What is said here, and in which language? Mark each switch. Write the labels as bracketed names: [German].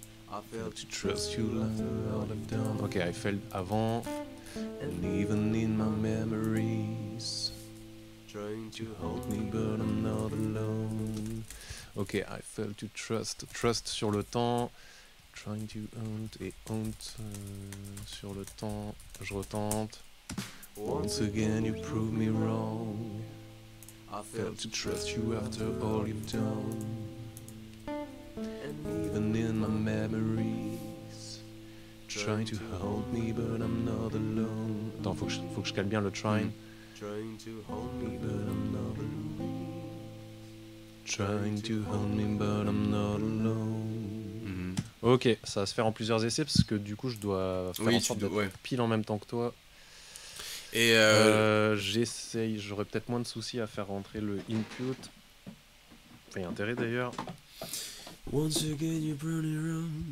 [English] I failed to trust you like a lot of time. Ok, I failed [French] avant. [English] And even in my memories. Trying to hold me but I'm not alone. Ok, I failed to trust. Trust [French] sur le temps. [English] Trying to hunt [French] et hunt sur le temps. Je retente. [English] Once again you prove me wrong. I failed to trust you after all you've done. And even in my memories, trying to hold me, but I'm not alone. [French] Attends, faut que je calme bien le trying. [English] Trying to hold me, but I'm not alone. Trying to hold me, but I'm not alone. [French] Ok, ça va se faire en plusieurs essais parce que du coup, je dois faire oui, en sorte d'être pile en même temps que toi. Et j'essaye, j'aurais peut-être moins de soucis à faire rentrer le input. Enfin, y a intérêt d'ailleurs. [English] Once again you burn it wrong.